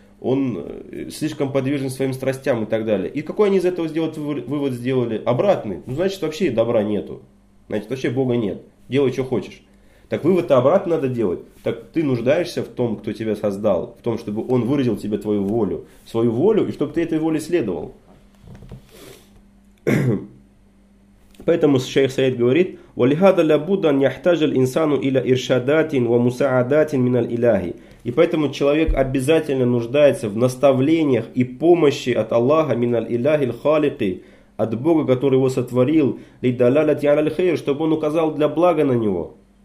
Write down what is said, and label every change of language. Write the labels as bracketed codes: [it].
[ru] Он слишком подвижен своим страстям и так далее. И какой они из этого вывод сделали? Обратный. Ну, значит, вообще добра нету. Значит, вообще Бога нет. Делай, что хочешь. Так вывод-то обратно надо делать. Так ты нуждаешься в том, кто тебя создал. В том, чтобы он выразил тебе твою волю. Свою волю, и чтобы ты этой воле следовал. Поэтому шейх Саид говорит, [ar] وَلِهَذَا لَبُدَّ أَنْ يَحْتَجَ الْإِنسَانُ إِلَىٰ إِرْشَادَاتٍ وَمُسَعَدَاتٍ مِنَ الْإِلَهِ. [ru] И поэтому человек обязательно нуждается в наставлениях и помощи от Аллаха, [ar] مِنَ الْإِلَهِ الْخَالِقِ, [ru] от Бога, который его сотворил, чтобы он указал для блага на него.